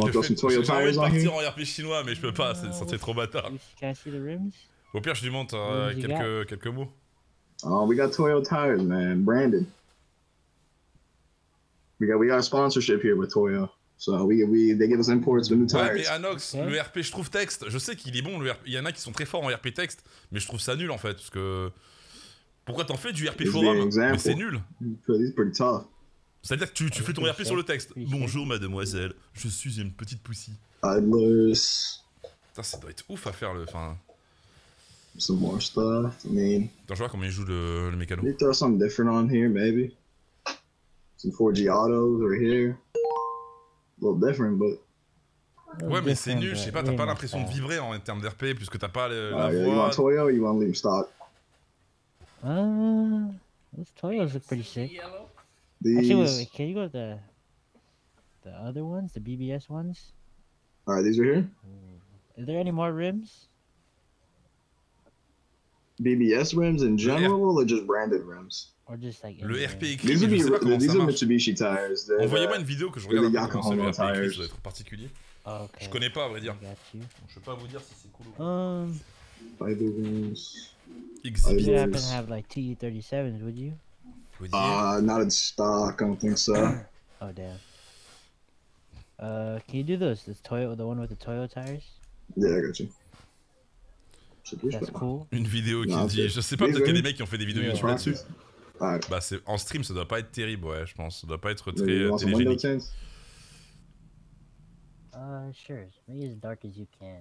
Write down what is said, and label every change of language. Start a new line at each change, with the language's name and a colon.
English: want to throw some Toyota tires on here?
French: I want to partir en RP chinois, mais je peux pas, c'est trop bâtard.
English: Can I see the rims?
French: Au pire, je lui montre quelques mots.
English: Oh, we got Toyota tires, man. Branded. We got a sponsorship here with Toyo, so they give us imports of new tires.
French: Ouais, mais Anox, okay. Le RP, je trouve texte. Je sais qu'il est bon. Il y en a qui sont très forts en RP texte, mais je trouve ça nul en fait, parce que pourquoi t'en fais du RP forum? Mais c'est nul.
English: It's pretty tough.
French: C'est-à-dire que tu fais ton RP sur le texte. Bonjour mademoiselle, je suis une petite pussy. Adlers. Putain, ça doit être ouf à faire enfin.
English: Some more stuff. I mean.
French: Attends, je vois comment il joue le mécano.
English: You throw something different on here, maybe. Some 4G autos right here. A little different, but...
French: Ouais, mais c'est nul, je sais pas, t'as pas l'impression de vibrer en termes d'RP, puisque t'as pas la voix...
English: You want Toyo or you want Leap Stock? Those Toyos look pretty sick. Actually, wait, can you go to the other ones, the BBS ones? Alright, these are here? Is there any more rims? BBS rims in general, or just branded rims? Or just like
French: le RP écrit, je sais pas comment ça marche.
English: Mitsubishi tires.
French: Envoyez-moi une vidéo que je regarde pour commencer le RP écrit, ça doit être particulier.
English: Oh, okay.
French: Je connais pas, à vrai dire. Donc, je peux pas vous dire si c'est cool ou pas.
English: Fiber rims. Exhibit. You happen to have like TE37s, would you? Not in stock, I don't think so. Oh, damn. Can you do those? The one with the Toyo tires? Yeah, I got you. That's cool.
French: Une vidéo qui dit, je sais pas, peut-être qu'il y a des mecs qui ont fait des vidéos YouTube là-dessus.
English: Right.
French: Bah c'est en stream, ça doit pas être terrible, ouais, je pense. Ça doit pas être très télégénique.
English: Sure. Make it as dark as you can.